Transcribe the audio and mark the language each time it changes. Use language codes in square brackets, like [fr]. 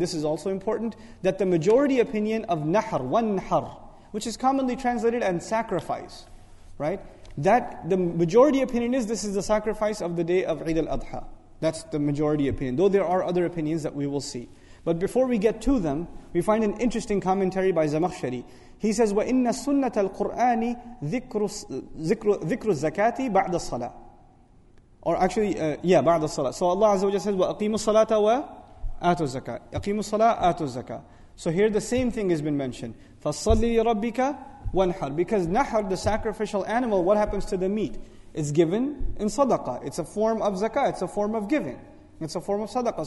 [en] This is also important, that the majority opinion of nahr, wanhar, which is commonly translated as sacrifice, right? That the majority opinion is this is the sacrifice of the day of Eid al-Adha. That's the majority opinion. Though there are other opinions that we will see. But before we get to them, we find an interesting commentary by Zamakhshari. He says, [ar] وَإِنَّ سُنَّةَ الْقُرْآنِ ذِكْرُ الزَّكَاةِ بَعْدَ الصَّلَاةِ. [en] Or actually, [ar] بَعْدَ الصَّلَاةِ. [en] So Allah Azza wa Jalla says, [ar] وَأَقِيمُ الصَّلَاةَ وَآتُ الزَّكَاةِ. أَقِيمُ الصَّلَاةَ آتُ الزَّكَاةِ. [en] So here the same thing has been mentioned. [ar] فَصَلِّ لِرَبِّكَ وَنْحَرْ. [en] Because nahr, the sacrificial animal, what happens to the meat? It's given in sadaqah. It's a form of zakah. It's a form of giving. It's a form of sadaqah.